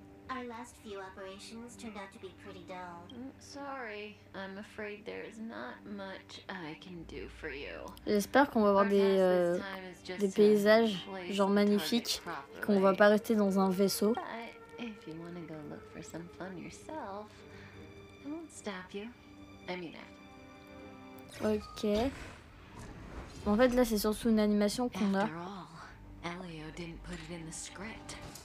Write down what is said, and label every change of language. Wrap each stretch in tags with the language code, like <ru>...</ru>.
<en>Our last few operations turned out to be pretty dull. Sorry, I'm afraid there's not much I can do for you.</en> <fr>J'espère qu'on va voir des paysages genre magnifiques, qu'on va pas rester dans un vaisseau.</fr> <en>If you want to go look for some fun yourself, I won't stop you. I mean it. Ok.</en> <fr>En fait, là, c'est surtout une animation qu'on a.</fr> <en>After all, Elio didn't put it in the script.</en>